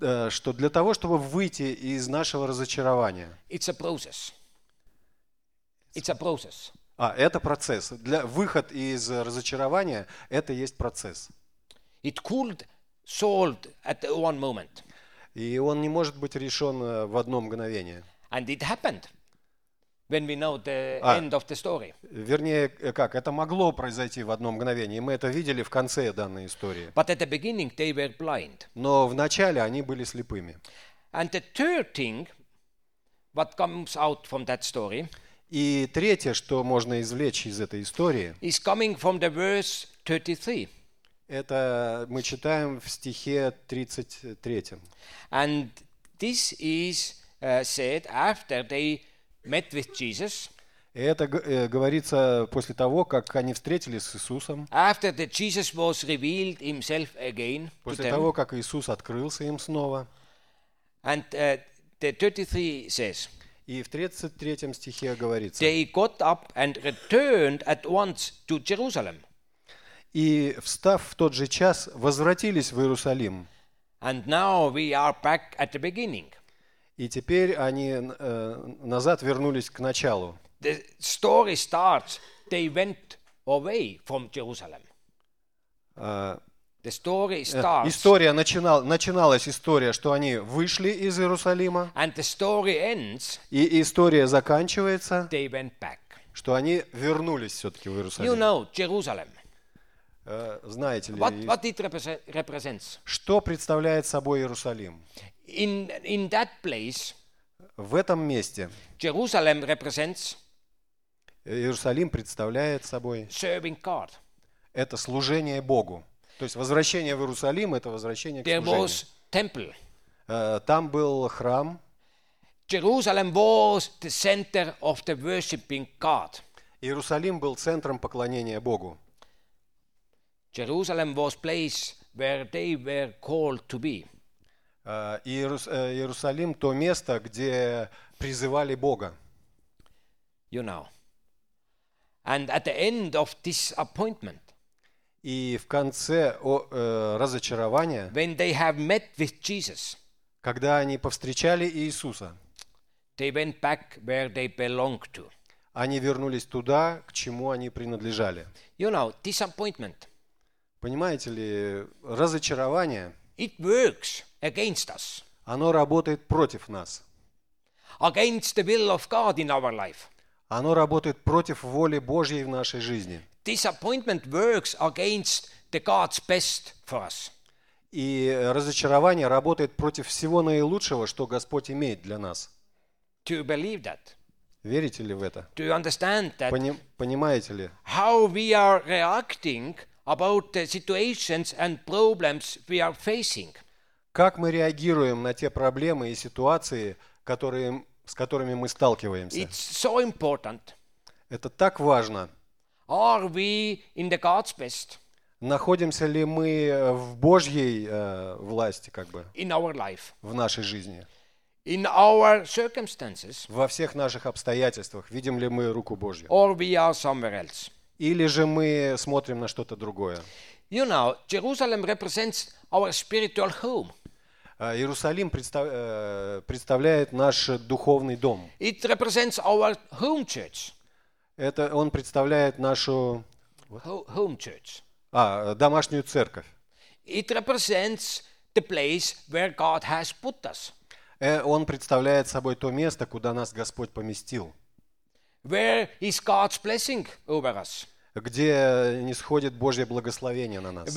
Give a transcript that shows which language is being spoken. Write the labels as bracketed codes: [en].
[ru] что для того, чтобы выйти из нашего разочарования, [en] it's a process. It's a process. [ru] А, это процесс. Для выход из разочарования – это есть процесс. [en] It could solved at one moment. [ru] И он не может быть решен в одно мгновение. [en] And it happened when we know the end of the story. [ru] Вернее, как, это могло произойти в одно мгновение. Мы это видели в конце данной истории. [en] But at the beginning they were blind. [ru] Но вначале они были слепыми. [en] And the third thing, what comes out from that story, [ru] и третье, что можно извлечь из этой истории, [en] is coming from the verse 33. [ru] Это мы читаем в стихе 33. [en] And this is said after they met with Jesus. [ru] Это говорится после того, как они встретились с Иисусом. [en] After that Jesus was revealed himself again to [ru] после [en] them. [ru] Того, как Иисус открылся им снова. [en] And the 33 says. [ru] И в 33 стихе говорится. [en] They got up and returned at once to Jerusalem. [ru] И встав в тот же час, возвратились в Иерусалим. [en] And now we are back at the beginning. [ru] И теперь они назад вернулись к началу. [en] The story starts, they went away from Jerusalem. The story starts. [ru] История начиналась история, что они вышли из Иерусалима. [en] And the story ends. [ru] И история заканчивается. [en] They went back. [ru] Что они вернулись все-таки в Иерусалим. [en] You know, Jerusalem. [ru] Знаете ли, [en] what it represents? [ru] Что представляет собой Иерусалим? [en] In that place, [ru] в этом месте [en] Jerusalem represents, [ru] Иерусалим представляет собой [en] serving God. [ru] Это служение Богу. То есть возвращение в Иерусалим – это возвращение к [en] there [ru] служению. [en] Was temple. [ru] Там был храм. [en] Jerusalem was the center of the worshiping God. [ru] Иерусалим был центром поклонения Богу. [en] Jerusalem was place where they were called to be. [ru] Иерусалим – то место, где призывали Бога. [en] You know. And at the end of this appointment, [ru] и в конце разочарования, [en] when they have met with Jesus, [ru] когда они повстречали Иисуса, [en] they went back where they belong to. [ru] Они вернулись туда, к чему они принадлежали. [en] You know, disappointment. [ru] Понимаете ли, разочарование, [en] it works against us. [ru] Оно работает против нас. [en] Against the will of God in our life. [ru] Оно работает против воли Божьей в нашей жизни. [en] Disappointment works against the God's best for us. [ru] И разочарование работает против всего наилучшего, что Господь имеет для нас. [en] Do you believe that? [ru] Верите ли в это? [en] Do you understand that? [ru] Понимаете ли? [en] How we are reacting about the situations and problems we are facing. [ru] Как мы реагируем на те проблемы и ситуации, которые, с которыми мы сталкиваемся? [en] It's so important. [ru] Это так важно. [en] Are we in the God's best? [ru] Находимся ли мы в Божьей власти, как бы? [en] In our life. [ru] В нашей жизни. [en] In our circumstances. [ru] Во всех наших обстоятельствах видим ли мы руку Божью? [en] Or we are somewhere else. [ru] Или же мы смотрим на что-то другое? [en] You know, Jerusalem represents our spiritual home. [ru] Иерусалим представляет наш духовный дом. [en] It represents our home church. [ru] Это он представляет нашу [en] home church. [ru] А, домашнюю церковь. [en] It represents the place where God has put us. [ru] Он представляет собой то место, куда нас Господь поместил. [en] Where is God's blessing over us? [ru] Где нисходит Божье благословение на нас?